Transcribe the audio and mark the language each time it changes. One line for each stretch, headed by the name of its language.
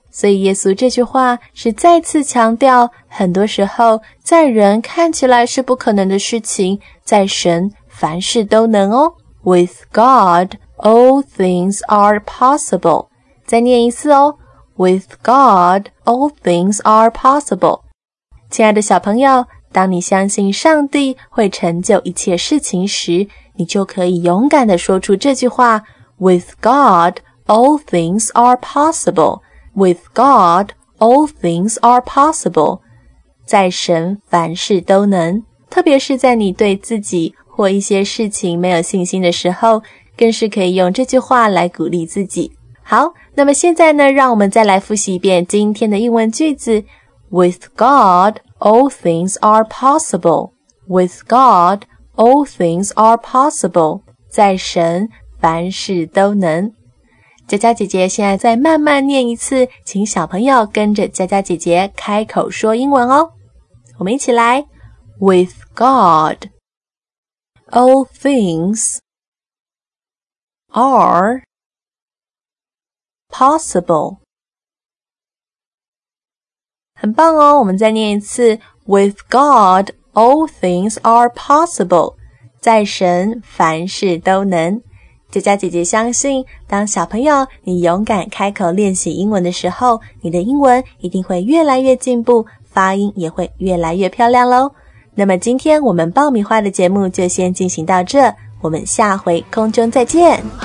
Chinese: 所以耶稣这句话是再次强调，很多时候在人看起来是不可能的事情，在神凡事都能哦。
English: With God, all things are possible.
Chinese: 再念一次哦。
English: With God, all things are possible.
Chinese: 亲爱的小朋友，当你相信上帝会成就一切事情时，你就可以勇敢地说出这句话
English: With God, all things are possible. With God, all things are possible.
Chinese: 在神凡事都能，特别是在你对自己或一些事情没有信心的时候，更是可以用这句话来鼓励自己。好，那么现在呢，让我们再来复习一遍今天的英文句子。
English: With God, all things are possible. With God, all things are possible.
Chinese: 在神凡事都能。佳佳姐姐现在再慢慢念一次，请小朋友跟着佳佳姐姐开口说英文哦。我们一起来。
English: With God, all things are possible.
Chinese: 很棒哦，我们再念一次。
English: With God, all things are possible.
Chinese: 在神凡事都能。佳佳姐姐相信，当小朋友你勇敢开口练习英文的时候，你的英文一定会越来越进步，发音也会越来越漂亮咯。那么今天我们爆米花的节目就先进行到这，我们下回空中再见。